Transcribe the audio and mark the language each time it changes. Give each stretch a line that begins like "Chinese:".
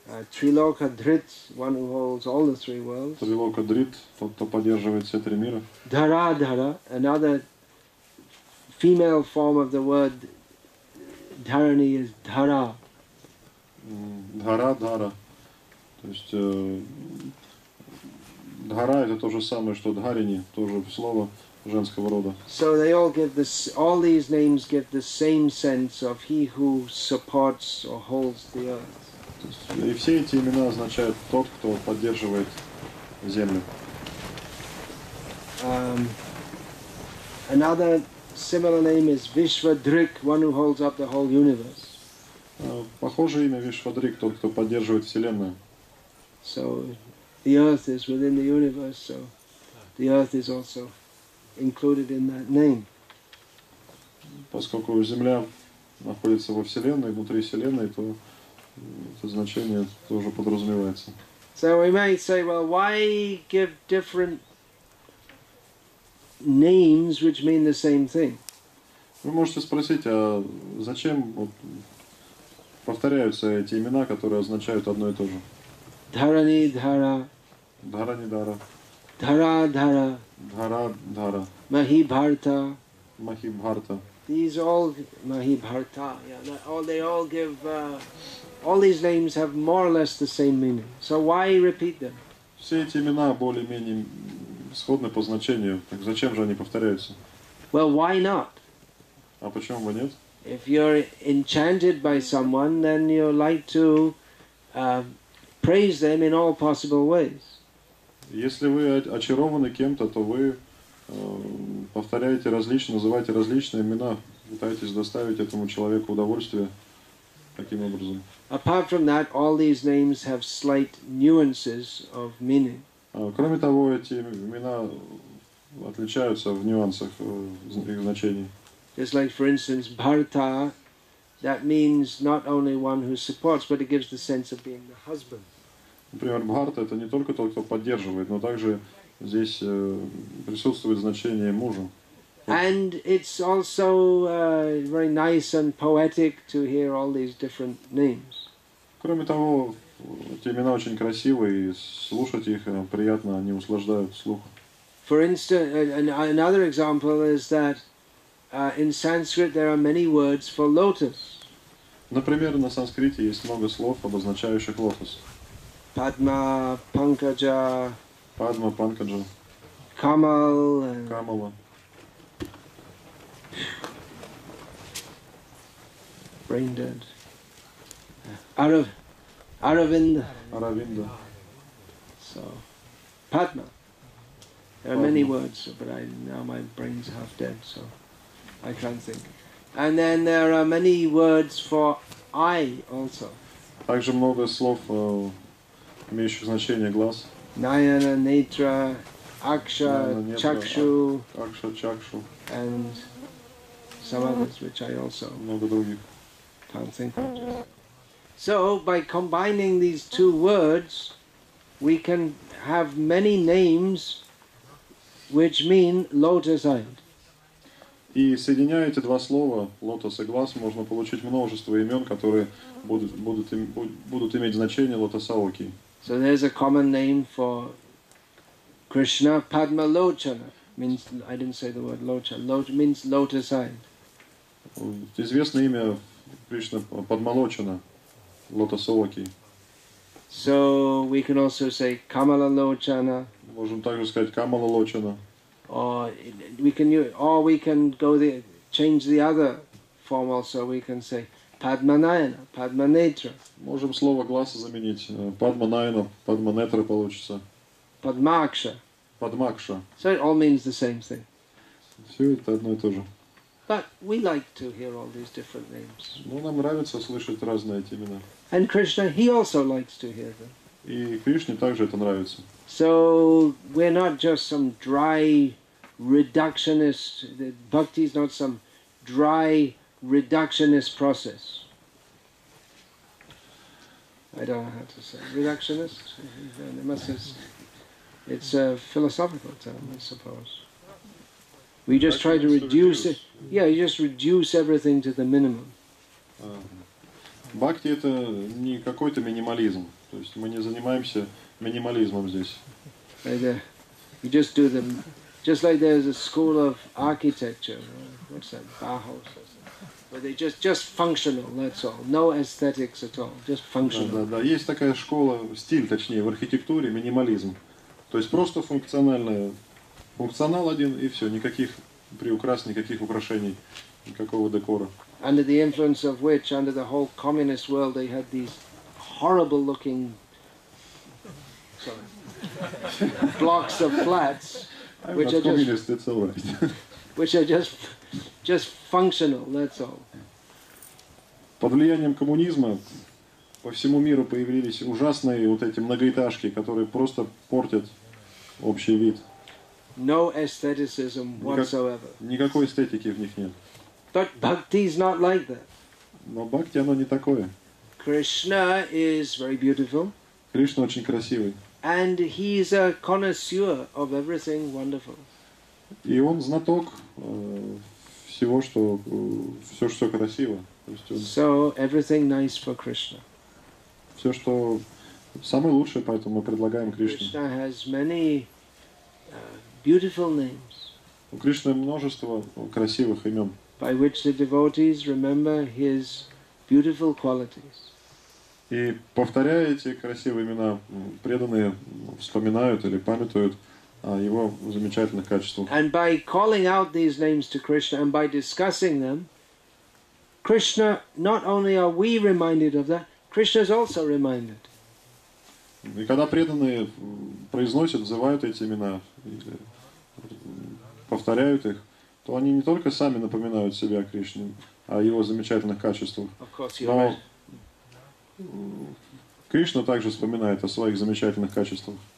English: Trilokha Dhrit, one who holds all the three worlds.
Russian: Trilokha Dhrit, тот, кто поддерживает все три мира.
English: Dharadhara, another female form of the word Dharani is Dhara. Dharadhara.
Russian: То есть, Дхара – это то же самое, что Дхарини, тоже слово женского рода.
English: So they all give this, all these names give the same sense of he who supports or holds the earth.
Russian: И все эти имена означают тот, кто поддерживает землю.
English: Another similar name is Vishvadrik, one who holds up the whole universe.
Russian: Похожее имя Вишвадрик, тот, кто поддерживает вселенную.
English: So the earth is within the universe, so the earth is also included in that name.
Russian: Поскольку Земля находится во Вселенной, внутри Вселенной, то это значение тоже подразумевается.
English: So we may say, well, why give different names which mean the same thing?
Russian: Вы можете спросить, а зачем вот повторяются эти имена, которые означают одно и то же? Dharani Dhara. Dharani Dhara. Dhara Dhara. Dhara Dhara. Mahibharata. Mahibharata.
English: These all Mahibharata. Yeah, all they all give all these names have more or less the same meaning. So why repeat them?
Russian: Все эти имена более-менее сходны по значению. Так зачем же они повторяются?
English: Well, why not?
Russian: А почему бы нет?
English: If you're enchanted by someone, then you like to praise them in all possible ways.
Russian: Если вы очарованы кем-то, то вы повторяете различные, называете различные имена, пытаетесь доставить этому человеку удовольствие таким образом.
English: Apart from that, all these names have slight nuances of meaning.
Russian: Кроме того, эти имена отличаются в нюансах их значений.
English: Just like, for instance, Bharata, that means not only one who supports, but it gives the sense of being the husband.
Russian: Например, Бхарта – это не только тот, кто поддерживает, но также здесь присутствует значение мужа.
English: And it's also very nice and poetic to hear all these different names.
Russian: Кроме того, эти имена очень красивые, и слушать их приятно, они услаждают слух.
English: For instance, another example is that in Sanskrit there are many words for lotus.
Russian: Например, на санскрите есть много слов, обозначающих лотос. Padma, Pankaja. Padma, Pankaja. Kamal. Kamala.
English: Brain dead. Aravinda. Aravinda. So, Padma. There are many words, but now my brain's half dead, so I can't think. And then there are many words for I also.
Russian: Также много слов имеющих значение глаз. Nayana, Netra, Aksha, Chakshu. Aksha, Chakshu.
English: And some others which I also
Russian: много других
English: can't think of. So by combining these two words, we can have many names which mean lotus-eyed.
Russian: И соединяя эти два слова, лотос и глаз, можно получить множество имен, которые будут иметь значение лотосаоки.
English: So there's a common name for Krishna, Padma Lochana. Means, I didn't say the word Locha. Loch means lotus eyed.
Russian: Известное имя Кришна Падма Лочана, лотосооки.
English: So we can also say Камала Лочана.
Russian: Можем также сказать Камала Лочана.
English: Or we can change the other form also. We can say Padmanayana, Padmanetra.
Russian: Можем слово глаз заменить. Padmanayana, Padmanetra получится. Padmaksha. Padmaksha.
English: So it all means the same thing.
Russian: Все это одно и то же.
English: But we like to hear all these different names.
Russian: Ну, нам нравится слышать разные эти имена.
English: And Krishna, he also likes to hear them.
Russian: И Кришне также это нравится.
English: So we're not just some dry reductionist. Bhakti is not some dry reductionist process. I don't know how to say reductionist. It must have, it's a philosophical term, I suppose. We just try to reduce it. Yeah, you just reduce everything to the minimum.
Russian: Бхакти это не какой-то минимализм. То есть мы не занимаемся минимализмом здесь.
English: You just do the, just like there's a school of architecture. What's that? Bauhaus. But they just functional, that's all. No aesthetics at all. Just functional.
Russian: Да, есть такая школа, стиль, точнее, в архитектуре, минимализм. То есть просто функциональное. Функционал один и все, никаких приукрас, никаких украшений, никакого декора.
English: Under the influence of which, under the whole communist world, they had these horrible looking blocks of flats, which are just, it's all right. Which are just functional, that's all.
Russian: Под влиянием коммунизма по всему миру появились ужасные вот эти многоэтажки, которые просто портят общий вид.
English: No aestheticism whatsoever.
Russian: Никакой эстетики в них нет.
English: But bhakti is not like that.
Russian: Но бхакти оно не такое.
English: Krishna is very beautiful.
Russian: Кришна очень красивый.
English: And he is a connoisseur of everything wonderful.
Russian: И он знаток всего, что все, что красиво.
English: So everything nice for Krishna.
Russian: Все, что самое лучшее, поэтому мы предлагаем Кришне.
English: Krishna has many beautiful names.
Russian: У Кришны множество красивых имен.
English: By which the devotees remember his beautiful qualities.
Russian: И повторяя эти красивые имена, преданные вспоминают или памятуют о его замечательных качествах.
English: And by calling out these names to Krishna and by discussing them, Krishna, not only are we reminded of that, Krishna is also reminded.
Russian: И когда преданные произносят, называют эти имена, повторяют их, то они не только сами напоминают себя о Кришне, о его замечательных качествах, но Кришна также вспоминает о своих замечательных качествах.